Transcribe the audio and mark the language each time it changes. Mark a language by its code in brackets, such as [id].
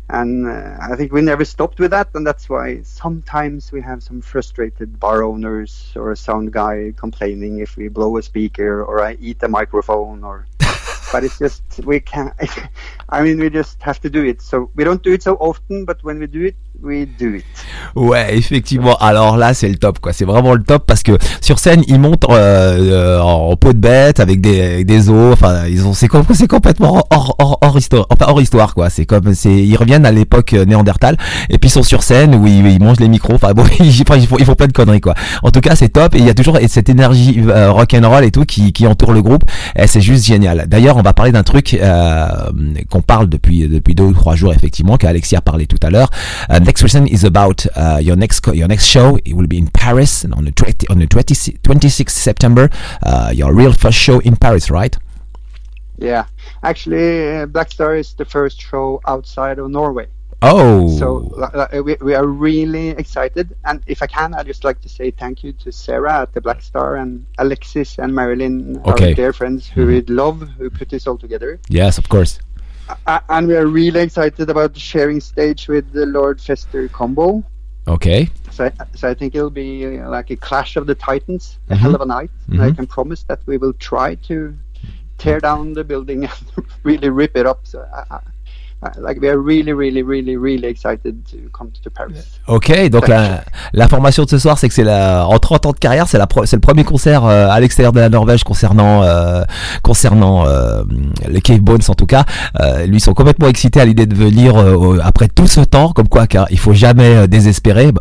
[en] And I think we never stopped with that, and that's why sometimes we have some frustrated bar owners or a sound guy complaining if we blow a speaker or I eat a microphone or but it's just we can't I mean, we just have to do it. So we don't do it so often, but when we do it, we do it. [fr] Ouais, effectivement. Alors là, c'est le top, quoi. C'est vraiment le top parce que sur scène, ils montent en peau de bête avec des os. Enfin, c'est complètement hors histoire, quoi. Ils reviennent à l'époque néandertal et puis ils sont sur scène où ils mangent les micros. Enfin, bon, ils font plein de conneries, quoi. En tout cas, c'est top. Et il y a toujours cette énergie rock'n'roll et tout qui entoure le groupe. Et c'est juste génial. D'ailleurs, on va parler d'un truc, qu'on parle depuis 2 ou 3 jours, effectivement, qu'Alexis a parlé tout à l'heure. [en] Next question is about your next show. It will be in Paris on the 26th September. Your real first show in Paris, right? Yeah, actually, Black Star is the first show outside of Norway. Oh, so we are really excited. And if I can, I'd just like to say thank you to Sarah at the Black Star and Alexis and Marilyn, okay, our dear friends who we'd love, who put this all together. Yes, of course. And we are really excited about sharing stage with the Lord Fester combo. Okay. So I think it'll be like a clash of the titans, a hell of a night. Mm-hmm. And I can promise that we will try to tear down the building and really rip it up. So we are really, really, really, really excited to come to Paris. Okay. [fr] Donc l'information de ce soir, c'est que c'est en 30 ans de carrière, c'est le premier concert à l'extérieur de la Norvège concernant les Cave Bones, en tout cas. Lui, ils sont complètement excités à l'idée de venir après tout ce temps, comme quoi, car il faut jamais désespérer.